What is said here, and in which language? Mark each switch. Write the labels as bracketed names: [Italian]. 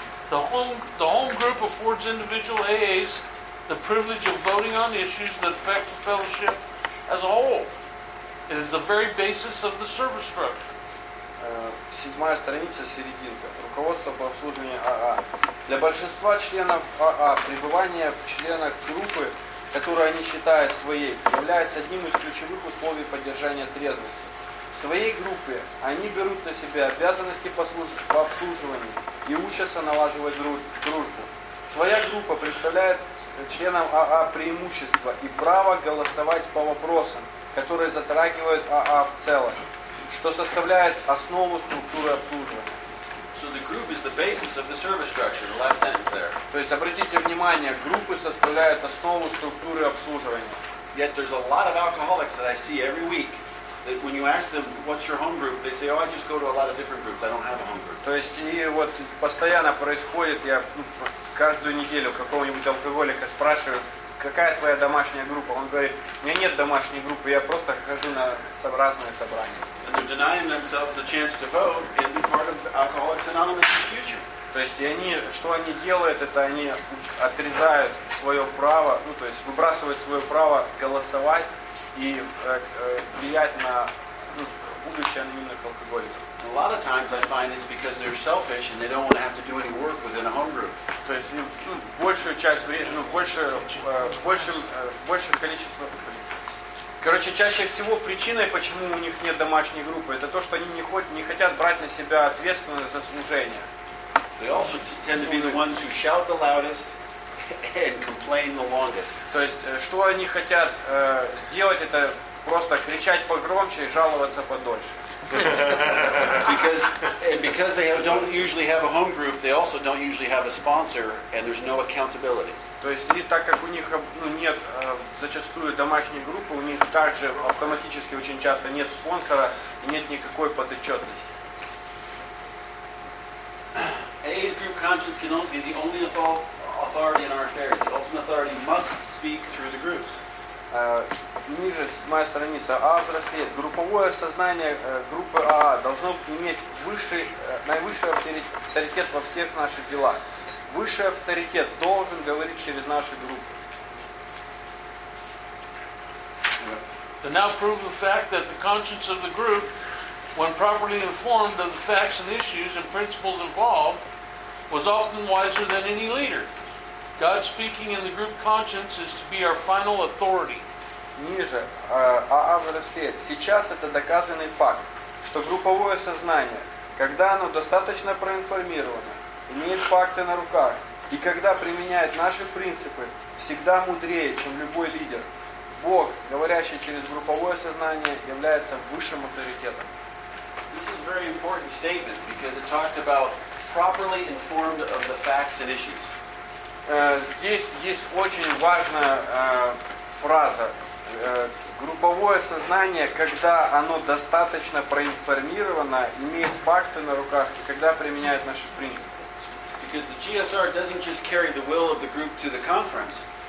[English] The home group affords individual AAs the privilege of voting on issues that affect the fellowship as a whole. It is the very basis of the service structure. [Russian] Седьмая страница, серединка. Руководство по обслуживанию АА. Для большинства членов АА пребывание в членах группы, которую они считают своей, является одним из ключевых условий поддержания трезвости. В своей группе они берут на себя обязанности по обслуживанию и учатся налаживать дружбу. Своя группа представляет членам АА преимущество и право голосовать по вопросам, которые затрагивают АА в целом, что составляет основу структуры обслуживания. [English] So the group is the basis of the service structure, the last sentence there. [Russian] То есть обратите внимание, группы составляют основу структуры обслуживания. [English] Yet there's a lot of alcoholics that I see every week that when you ask them what's your home group, they say, oh, I just go to a lot of different groups. I don't have a home group. [Russian] То есть и вот постоянно происходит, я каждую неделю какого-нибудь алкоголика спрашиваю, какая твоя домашняя группа? Он говорит, у меня нет домашней группы, я просто хожу на разные собрания. [English] And they're denying themselves the chance to vote and be part of Alcoholics Anonymous in the future. [Russian] То есть они, что они делают, это они отрезают свое право, ну то есть выбрасывают свое право голосовать и влиять на будущее анонимных алкоголиков. [English] A lot of times I find it's because they're selfish and they don't want to have to do any work within a home group. [Russian] То есть большую часть времени, в большем количестве. Короче, чаще всего причиной, почему у них нет домашней группы, это то, что они не хотят брать на себя ответственность за служение. [English] They also tend to be the ones who shout the loudest and complain the longest. [Russian] То есть, что они хотят сделать, это просто кричать погромче и жаловаться подольше. [English] Because they don't usually have a home group, they also don't usually have a sponsor, and there's no accountability. [Russian] То есть, и так как у них нет зачастую домашней группы, у них также автоматически очень часто нет спонсора и нет никакой подотчетности. [English] AA's group conscience can only be the only authority in our affairs. The ultimate authority must speak through the groups. [Russian] Ниже, седьмая страница, АА взрослеет. Групповое сознание группы АА должно иметь наивысший авторитет во всех наших делах. Высший авторитет должен говорить через наши группы. [English] To now prove the fact that the conscience of the group, when properly informed of the facts and issues and principles involved, was often wiser than any leader. God speaking in the group conscience is to be our final authority. [Russian] Ниже, АА взрослеет. Сейчас это доказанный факт, что групповое сознание, когда оно достаточно проинформировано, имеет факты на руках, и когда применяет наши принципы, всегда мудрее, чем любой лидер. Бог, говорящий через групповое сознание, является высшим авторитетом. [English] This is a very important statement because it talks about properly informed of the facts and issues. [Russian] Здесь есть очень важная фраза. Групповое сознание, когда оно достаточно проинформировано, имеет факты на руках, и когда применяет наши принципы. [English] Because the GSR doesn't just carry the will of the group to the conference.